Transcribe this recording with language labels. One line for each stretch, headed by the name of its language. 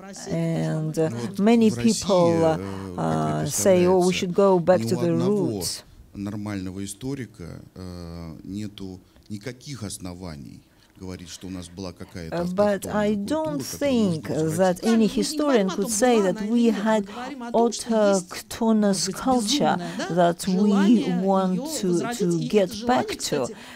English: And many people say, oh, we should go back to the roots.
Russian: Нормального историка нету никаких оснований.
English: But I don't think that any historian could say that we had autochthonous culture that we want to get back to.